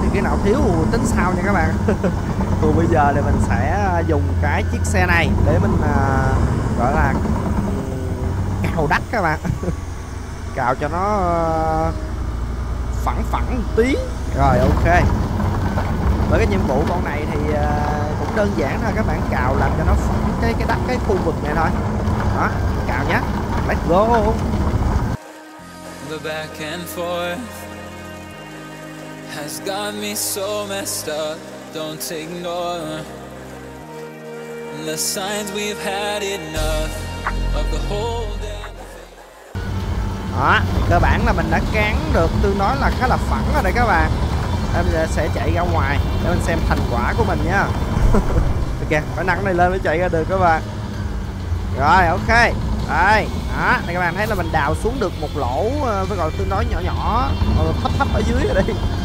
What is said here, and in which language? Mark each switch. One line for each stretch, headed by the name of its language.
Vietnamese: Thì cái nào thiếu tính sau nha các bạn. Còn bây giờ thì mình sẽ dùng cái chiếc xe này để mình gọi là cào đất các bạn. Cào cho nó phẳng phẳng một tí. Rồi ok. Với cái nhiệm vụ con này thì cũng đơn giản thôi các bạn. Cào làm cho nó phẳng cái đất, cái khu vực này thôi. Đó, cào nhé.
English: Let's go. The back and forth has got me so messed up. Don't ignore the signs, we've had enough of the whole damn thing.
Vietnamese: Đó, cơ bản là mình đã cán được tương đối là khá là phẳng rồi đây các bạn. Em sẽ chạy ra ngoài để mình xem thành quả của mình nha. Ok, phải nâng này lên mới chạy ra được các bạn. Rồi ok. Đây, đó, đây các bạn thấy là mình đào xuống được một lỗ với gọi tương đối nhỏ nhỏ, thấp thấp ở dưới rồi đây.